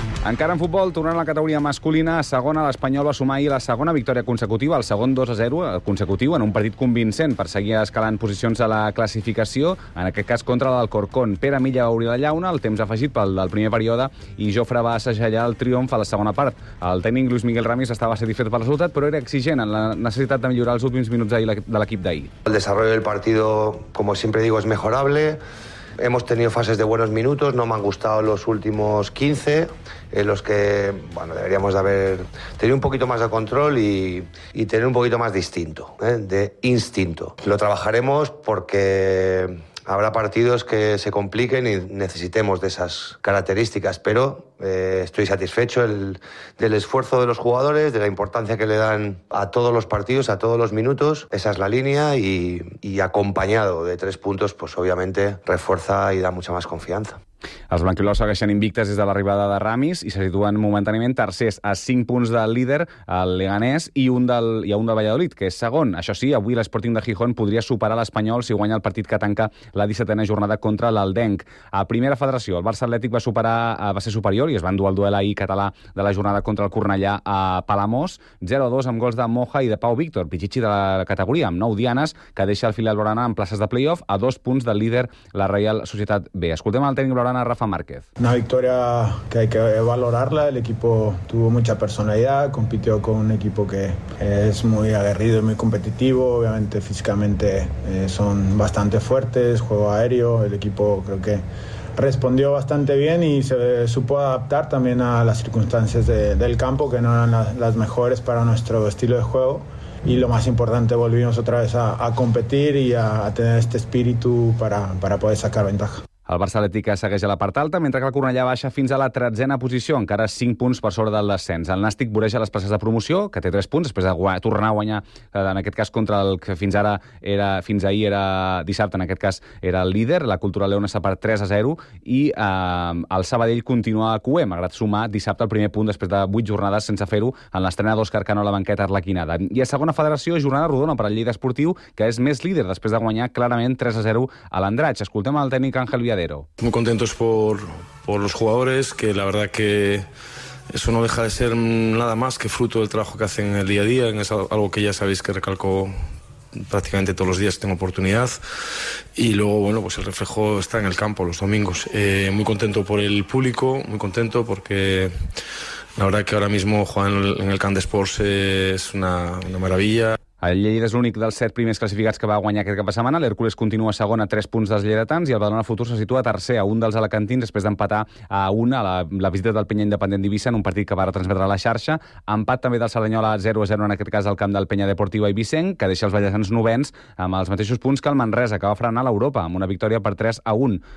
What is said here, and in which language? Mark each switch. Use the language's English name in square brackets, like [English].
[Catalan] Encara en futbol, tornant a la categoria masculina, segona l'Espanyol va sumar ahir la segona victòria consecutiva, el segon 2-0 consecutiu, en un partit convincent per seguir escalant posicions a la classificació, en aquest cas contra l'Alcorcón. Pere Milla va obrir la llauna, el temps afegit pel del primer període, i Jofre va assajallar el triomf a la segona part. El tècnic Lluís Miguel Ramis estava satisfet pel resultat, però era exigent en la necessitat de millorar els últims minuts de l'equip d'ahir. [Spanish] El desarrollo del partido, como siempre digo, es mejorable. Hemos tenido fases de buenos minutos, no me han gustado los últimos 15, en los que, bueno, deberíamos de haber tenido un poquito más de control y tener un poquito más de instinto, de instinto. Lo trabajaremos porque habrá partidos que se compliquen y necesitemos de esas características, pero estoy satisfecho del esfuerzo de los jugadores, de la importancia que le dan a todos los partidos, a todos los minutos. Esa es la línea y acompañado de tres puntos, pues obviamente refuerza y da mucha más confianza. [Catalan] Els blanquiblaus segueixen invictes des de l'arribada de Ramis i se situen momentàniament tercers a 5 punts del líder, el Leganés, i a un del Valladolid, que és segon. Això sí, avui l'Sporting de Gijón podria superar l'Espanyol si guanya el partit que tanca la 17a jornada contra l'Aldenc. A Primera Federació, el Barça Atlètic va ser superior i es van dur el duel ahir català de la jornada contra el Cornellà a Palamós, 0-2 amb gols de Moja i de Pau Víctor, pitxitxi de la categoria, amb 9 dianes, que deixa el filial blaugrana en places de playoff a 2 punts del líder, la Real Societat B. Escoltem el tècnic a Rafa Márquez. [Spanish] Una victoria que hay que valorarla, el equipo tuvo mucha personalidad, compitió con un equipo que es muy aguerrido y muy competitivo, obviamente físicamente son bastante fuertes, juego aéreo, el equipo creo que respondió bastante bien y se supo adaptar también a las circunstancias del campo, que no eran las mejores para nuestro estilo de juego. Y lo más importante, volvimos otra vez a competir y a tener este espíritu para poder sacar ventaja. [Catalan] El Barça Atlètic segueix a la part alta, mentre que el Cornellà baixa fins a la 13a posició, encara 5 punts per sobre del descens. El Nàstic voreja les places de promoció, que té 3 punts, després de tornar a guanyar, en aquest cas, contra el que fins ahir era dissabte, en aquest cas, era el líder. La Cultural Leona està per 3-0 i el Sabadell continua a cuer, malgrat sumar dissabte el primer punt després de 8 jornades sense fer-ho en l'estrena d'Òscar Cano a la banqueta arlequinada. I a Segona Federació, jornada rodona per al Lleida Esportiu, que és més líder després de guanyar clarament 3-0 a l'Andratx. Escoltem el tècnic Ángel Viader. [Spanish] Muy contentos por los jugadores, que la verdad que eso no deja de ser nada más que fruto del trabajo que hacen en el día a día. Es algo que ya sabéis que recalco prácticamente todos los días que tengo oportunidad. Y luego, bueno, pues el reflejo está en el campo los domingos. Muy contento por el público, muy contento porque la verdad que ahora mismo jugar en el Camp de Sports es una maravilla. [Catalan] El Lleida és l'únic dels 7 primers classificats que va guanyar aquest cap de setmana. L'Hércules continua segon a 3 punts dels lleidatans i el Badalona Futur se situa tercer a un dels alacantins després d'empatar a una a la visita del Penya Independent d'Eivissa en un partit que va retransmetre a la xarxa. Empat també del Cerdanyola 0-0 en aquest cas al camp del Penya Deportiva Eivissenc, que deixa els vallesans novens amb els mateixos punts que el Manresa, que va frenar l'Europa amb una victòria per 3-1.